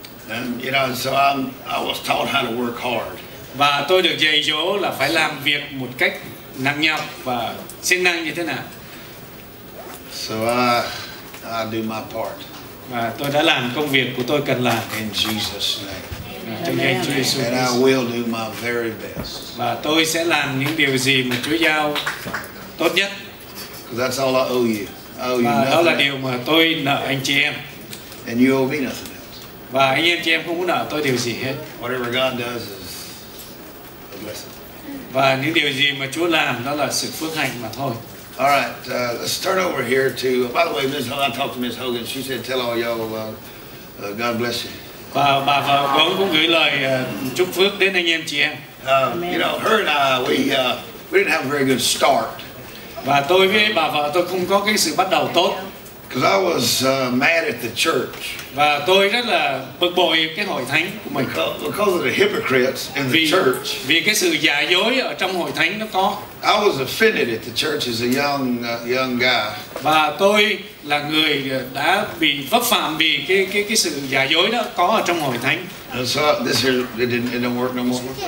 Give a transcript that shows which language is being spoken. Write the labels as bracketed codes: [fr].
[en] And you know, so I was taught how to work hard. [vi] Và tôi được dạy dỗ là phải làm việc một cách năng nhọc và siêng năng như thế nào. [en] So I do my part. [vi] Và tôi đã làm công việc của tôi cần làm. [en] In Jesus' name. [vi] Trong danh Chúa Giêsu. [en] And I will do my very best. [vi] Và tôi sẽ làm những điều gì mà Chúa giao tốt nhất. [en] Because that's all I owe you. [vi] Đó là điều mà tôi nợ anh chị em. [en] And you owe me nothing else. [vi] Và anh em chị em không muốn nợ tôi điều gì hết. [en] Whatever God does is a blessing. [vi] Và những điều gì mà Chúa làm đó là sự phước hạnh mà thôi. [en] All right, let's turn over here to. By the way, Ms. Hogan, I talked to Ms. Hogan. She said, "Tell all y'all, God bless you." [vi] Bà vợ con cũng gửi lời chúc phước đến anh em chị em. [en] You know, her and I, we didn't have a very good start. [vi] Và tôi với bà vợ tôi không có cái sự bắt đầu tốt. [en] Because I was mad at the church. [vi] Và tôi rất là bực bội cái hội thánh của mình. [en] Because of the hypocrites in the church. [vi] Vì cái sự giả dối ở trong hội thánh nó có. [en] I was offended at the church as a young guy. [vi] Và tôi là người đã bị vấp phạm vì cái sự giả dối đó có ở trong hội thánh. [en] And so this here it didn't work no more.